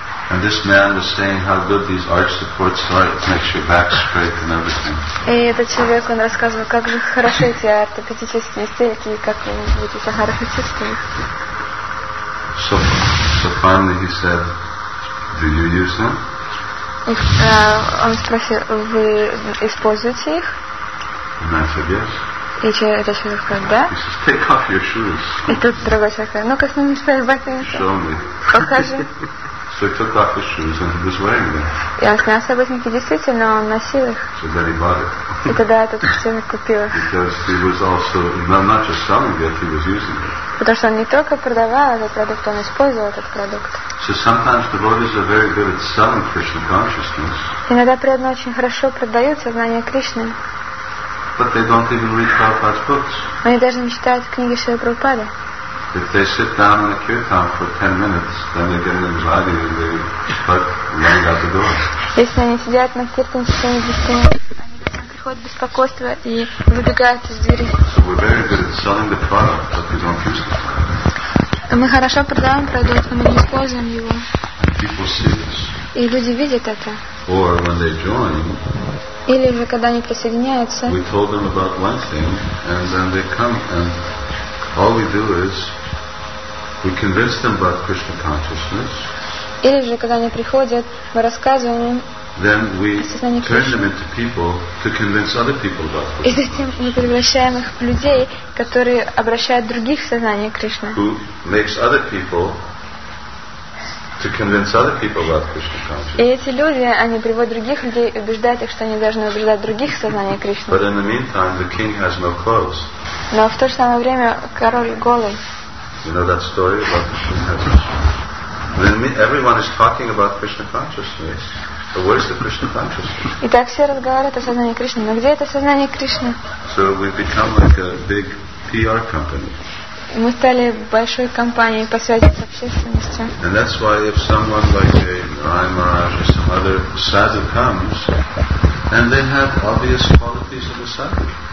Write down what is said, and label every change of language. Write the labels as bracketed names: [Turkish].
[English] And this man was saying how good these arch supports are. It makes your back straight and everything. [Russian] И этот человек, он рассказывал, как же хороши эти ортопедические стельки, как вы будете хорошо чувствовать. [English] So finally he said, do you use them? [Russian] Он спросил, вы используете их? [English] And I said, yes. [Russian] И это человек сказал, да? [English] He says, take off your shoes. [Russian] И тут другой человек сказал, ну-ка сними свои ботинки. [English] Show me. [Russian] Покажи. [English] So he took off his shoes and he was wearing them. [Russian] И он снял свои ботинки, действительно, он носил их. [English] So then he bought it. [Russian] И тогда этот человек купил их. [English] Because he was also, not just selling it, he was using it. [Russian] Потому что он не только продавал этот продукт, он использовал этот продукт. [English] So sometimes devotees are very good at selling Krishna consciousness. [Russian] Иногда преданные очень хорошо продают сознание Кришны. [English] But they don't even read Prabhupada's books. [Russian] Они даже не читают книги Шрилы Прабхупады. [English] If they sit down in the kirtan for 10 minutes, then they get an anxiety and they start running out the door. [Russian] Если они сидят на киртане в течение 10 минут, они приходят беспокойство и выбегают из двери. [English] So we're very good at selling the product, but we don't use it. [Russian] Мы хорошо продаем продукт, но мы не используем его. [English] And people see this. [Russian] И люди видят это. [English] Or when they join. [Russian] Или же когда они присоединяются. [English] We told them about one thing, and then they come, and all we do is we convince them about Krishna consciousness. [Russian] Или же когда они приходят, мы рассказываем им. [English] Then we turn them into people to convince other people about Krishna. [Russian] И затем мы превращаем их в людей, которые обращают других в сознание Кришны. [English] Who makes other people to convince other people about Krishna consciousness. [Russian] И эти люди, они приводят других людей, убеждают их, что они должны убеждать других в сознании Кришны. [English] But in the meantime, the king has no clothes. [Russian] Но в то же самое время король голый. [English] You know that story about Krishna consciousness? Everyone is talking about Krishna consciousness. But where is the Krishna consciousness? [Russian] Итак, все разговаривают о сознании Кришны. Но где это сознание Кришны? [English] So we become like a big PR company. [Russian] Мы стали большой компанией по связи с общественностью. [English] And that's why if someone like a Raimaraj or some other sadhu comes, and they have obvious qualities of a sadhu.